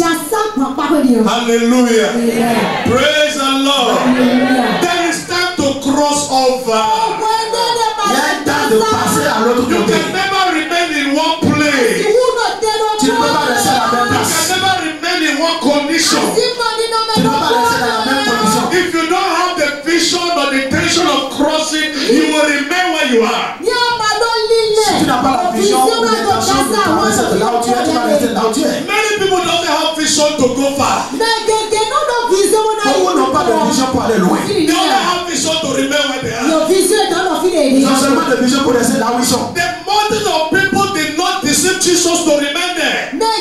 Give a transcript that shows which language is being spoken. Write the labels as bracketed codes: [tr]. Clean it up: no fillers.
[en] Hallelujah. Praise the Lord. There is time to cross over. [fr] Il y a un temps de passer à l'autre [en] côté. You can never remain in one place. [fr] Tu ne peux pas rester à la même place. [en] Condition. If you don't have the vision or the intention of crossing, you will remain where you are. [fr] Si tu n'as pas la vision ou l'intention de traverser de là où tu es, tu vas rester là où tu es. [en] Many people don't have vision to go far. [fr] Beaucoup n'ont pas de vision pour aller loin. [en] They only have vision to remain where they are. [fr] Ils ont seulement de vision pour rester là où ils sont. [en] The multitude of people did not deceive Jesus to remain there.